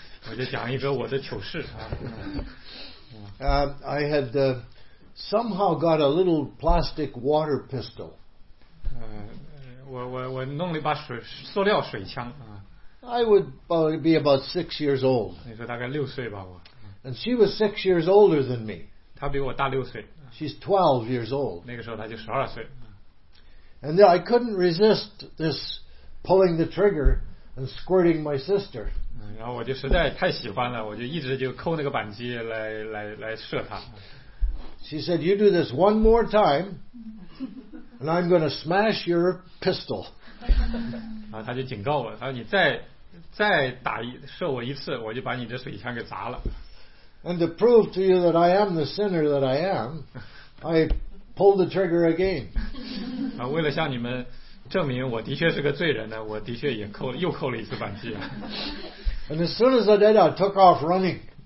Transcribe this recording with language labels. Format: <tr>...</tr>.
<zh>我就讲一个我的糗事啊。</zh> <en>I had somehow got a little plastic water pistol.</en> <zh>我弄了一把水塑料水枪啊。</zh> <en>I would be about 6 years old.</en> <zh>你说大概六岁吧我。</zh> <en>And she was 6 years older than me.</en> <zh>她比我大六岁。</zh> <en>She's 12 years old.</en> <zh>那个时候她就十二岁。</zh> <en>And I couldn't resist this pulling the trigger and squirting my sister.</en> <zh>然后我就实在太喜欢了，我就一直就扣那个扳机来射她。</zh> <en>She said, "You do this one more time, and I'm going to smash your pistol."</en> <zh>然后他就警告我，他说你再打射我一次，我就把你的水枪给砸了。</zh> <en>And to prove to you that I am the sinner that I am, I pull the trigger again.</en> <zh>啊，为了向你们证明我的确是个罪人呢，我的确也又扣了一次扳机。</zh> <en>And as soon as I did, I took off running.</en>